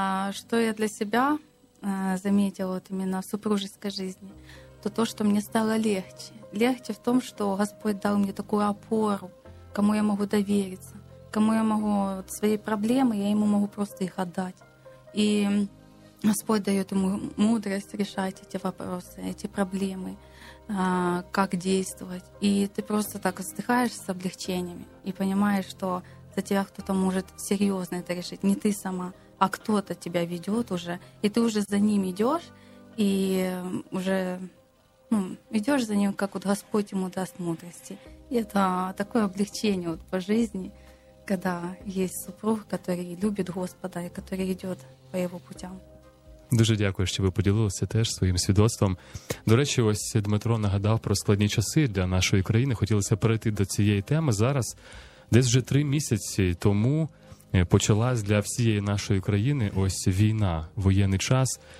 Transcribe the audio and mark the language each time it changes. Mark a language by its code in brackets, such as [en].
[ru] Що я для себя замітила именно в супружеской жизни, то, що [uk] мені стало [ru] легче. Легче в том, [uk] що Господь дав мені таку опору, кому я можу довіритися, кому я можу свої проблеми, я йому можу просто їх віддати. І Господь дає йому мудрість рішати ці питання, ці проблеми. [ru] Как действовать. И ты просто так вздыхаешь с облегчениями и понимаешь, что за тебя кто-то может серьезно это решить. Не ты сама, а кто-то тебя ведет уже. И ты уже за ним идешь и уже, ну, идешь за ним, как вот Господь ему даст мудрости. И это такое облегчение вот по жизни, когда есть супруг, который любит Господа и который идет по его путям. [uk] Дуже дякую, що ви поділилися теж своїм свідоцтвом. До речі, ось Дмитро нагадав про складні часи для нашої країни. Хотілося перейти до цієї теми. Зараз, десь вже 3 місяці тому, почалась для всієї нашої країни ось війна, воєнний час.